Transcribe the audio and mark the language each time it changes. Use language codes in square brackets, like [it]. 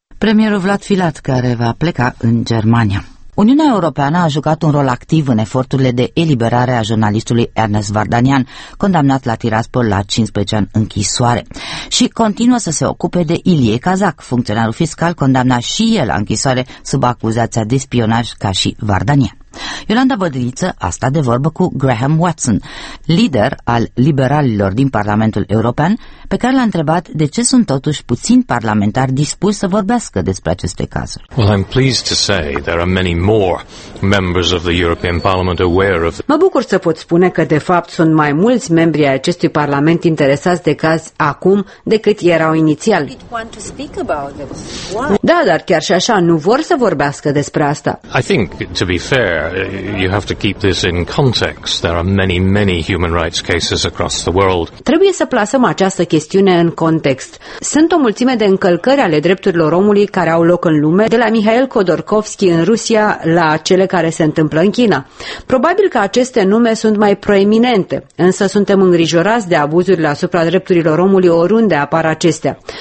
[ro] Premierul Vlad Filat, care va pleca în Germania. Uniunea Europeană a jucat un rol activ în eforturile de eliberare a jurnalistului Ernest Vardanian, condamnat la Tiraspol la 15 ani închisoare, și continuă să se ocupe de Ilie Kazak, funcționarul fiscal condamnat și el la închisoare sub acuzația de spionaj ca și Vardanian. Iolanda Bădiriță a stat de vorbă cu Graham Watson, lider al liberalilor din Parlamentul European, pe care l-a întrebat de ce sunt totuși puțini parlamentari dispuși să vorbească despre aceste cazuri. [en] Well, I'm pleased to say there are many more members of the European Parliament aware of. [ro] Mă bucur să pot spune că de fapt sunt mai mulți membri ai acestui parlament interesați de caz acum decât erau inițial. Da, dar chiar și așa nu vor să vorbească despre asta. [en] I think to be fair, you have to keep this in context. There are many, many human rights cases across the world. [ro] Trebuie să plasăm această chestiune în context. Sunt o mulțime de încălcări ale drepturilor omului care au loc în lume, de la Mihail Khodorkovsky în Rusia la cele care se întâmplă în China. Probabil că aceste nume sunt mai proeminente, însă suntem îngrijorați de abuzurile asupra drepturilor omului oriunde apar acestea.